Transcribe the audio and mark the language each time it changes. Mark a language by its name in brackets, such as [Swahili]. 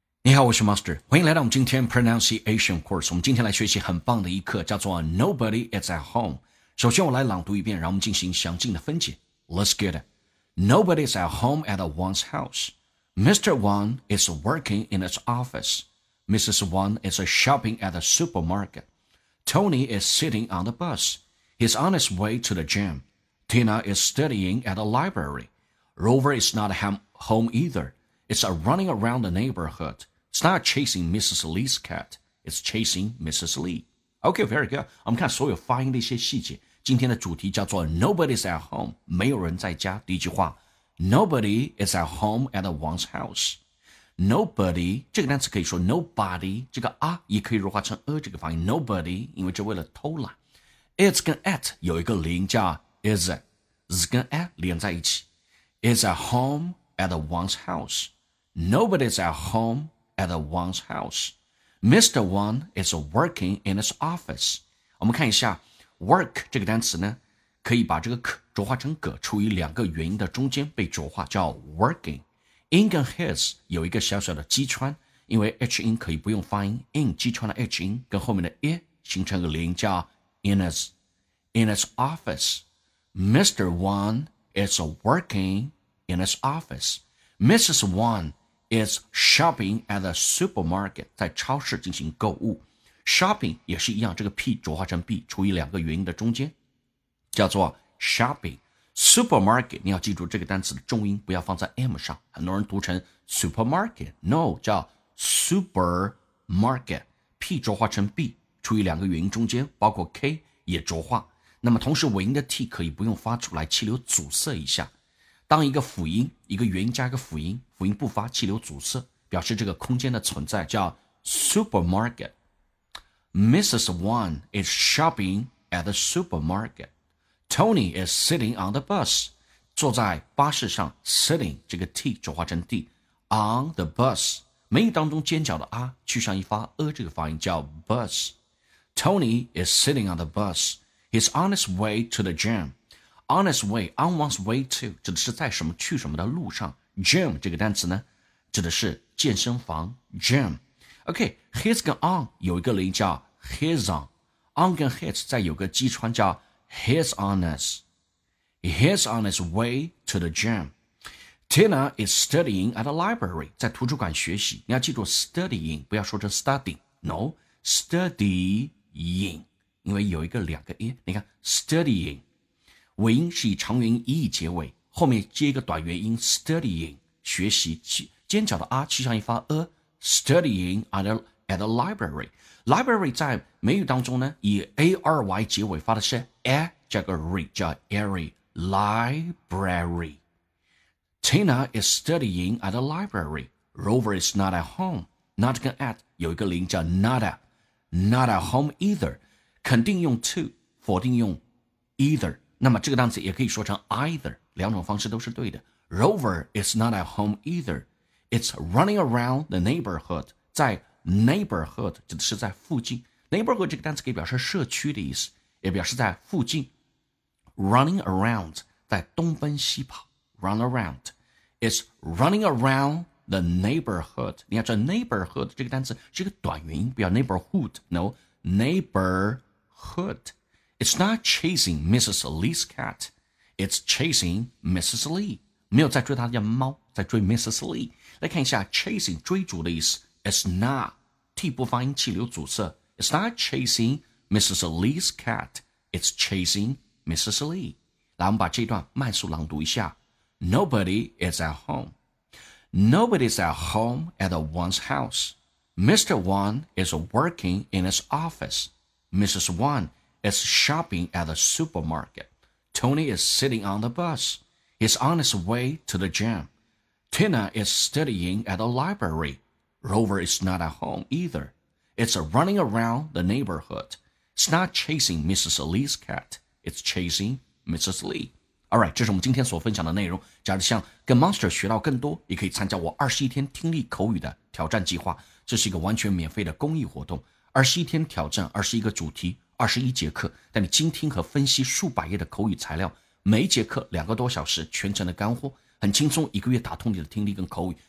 [Chinese] 你好，我是 Master， 欢迎来到我们今天 Pronunciation Course。 我们今天来学习很棒的一课，叫做 [English] Nobody is at home。 [Chinese] 首先我来朗读一遍，然后我们进行详尽的分解。 [English] Let's get it. Nobody is at home at Wang's house. Mr. Wang is working in his office. Mrs. Wang is shopping at the supermarket. Tony is sitting on the bus. He's on his way to the gym. Tina is studying at the library. Rover is not home either. It's running around the neighborhood. It's not chasing Mrs. Lee's cat. It's chasing Mrs. Lee. Okay, very good. [Chinese] 我们看所有发音的一些细节。今天的主题叫做 [English] Nobody's at home. [Chinese] 没有人在家。第一句话 [English] Nobody is at home at Wang's house. [Chinese] Nobody, 这个单词可以说 nobody, 这个啊也可以弱化成这个发音 Nobody, 因为这为了偷懒。 It's 跟 at 有一个连加 is. Z 跟 at 连在一起。 [English] Is at homeAt Wang's house. Nobody's at home at Wang's house. Mr. Wang is working in his office. [Chinese] 我们看一下 work 这个单词呢，可以把这个可浊化成个，处于两个元音的中间被浊化，叫 working. In 跟 his 有一个小小的击穿，因为 H 音可以不用发音， in 击穿了 H 音，跟后面的 i 形成个连音，叫 [English] in his office. Mr. Wang is workingIn his office, Mrs. Wang is shopping at the supermarket. [Chinese] 在超市进行购物 ，shopping 也是一样，这个 p 浊化成 b， 处于两个元音的中间，叫做 shopping. Supermarket， 你要记住这个单词的重音，不要放在 m 上。很多人读成 supermarket， no， 叫 supermarket. p 浊化成 b， 处于两个元音中间，包括 k 也浊化。那么同时尾音的 t 可以不用发出来，气流阻塞一下。当一个辅音，一个元音加一个辅音，辅音不发，气流阻塞，表示这个空间的存在，叫 supermarket. [English] Mrs. Wang is shopping at the supermarket. Tony is sitting on the bus. [Chinese] 坐在巴士上 ，sitting 这个 t 浊化成 d [English] on the bus. [Chinese] 美语当中尖角的 r 去上一发 这个发音叫 bus. [English] Tony is sitting on the bus. He's on his way to the gym. On his way, on one's way to, [Chinese] 指的是在什么去什么的路上。 Gym 这个单词呢，指的是健身房。 [English] Gym. [Chinese] Okay, his 跟 on 有一个连叫 [English] his on. [Chinese] On 跟 his 再有个击穿叫 [English] his on us. He's on his way to the gym. Tina is studying at a library, [Chinese] 在图书馆学习。你要记住 studying, 不要说成 studying. [English] No, studying. [Chinese] 因为有一个两个 e, 你看 studying. 尾音是以长元音 e 结尾，后面接一个短元音 studying 学习，尖角的 r 去上一发 [English] studying at a library. [Chinese] Library 在美语当中呢，以 a r y 结尾，发的是 a 加个 r 叫 ary library. [English] Tina is studying at a library. Rover is not at home. Not 跟 at [Chinese] 有一个连叫 [English] not at home either. [Chinese] 肯定用 to， 否定用 either. 那么这个单词也可以说成 either， 两种方式都是对的。 [English] Rover is not at home either. It's running around the neighborhood. [Chinese] 在 neighborhood 指的是在附近。Neighborhood 这个单词可以表示社区的意思，也表示在附近。 [English] Running around [Chinese] 在东奔西跑。 [English] Run around. It's running around the neighborhood. [Chinese] 你要知道 neighborhood 这个单词是一个短元音，不要 neighborhood. [English] No, neighborhood. It's not chasing Mrs. Lee's cat. It's chasing Mrs. Lee. [Chinese] 没有在追她的猫，在追 Mrs. [English] Lee. [Chinese] 来看一下 chasing 追逐的意思。 [English] It's not, [Chinese] T 不发音，气流阻塞。 [English] It's not chasing Mrs. Lee's cat. It's chasing Mrs. Lee. 来，我们把这段慢速朗读一下。 Nobody is at home. Nobody's at home at Wang's house. Mr. Wang is working in his office. Mrs. Wang. Is shopping at the supermarket. Tony is sitting on the bus. He's on his way to the gym. Tina is studying at the library. Rover is not at home either. It's running around the neighborhood. It's not chasing Mrs. Lee's cat. It's chasing Mrs. Lee. [Chinese] Alright, 这是我们今天所分享的内容。假如想跟 Monster 学到更多，也可以参加我21天听力口语的挑战计划。这是一个完全免费的公益活动。21天挑战21个主题。 21节课，带你精听和分析数百页的口语材料，每一节课2个多小时，全程的干货，很轻松，一个月打通你的听力跟口语。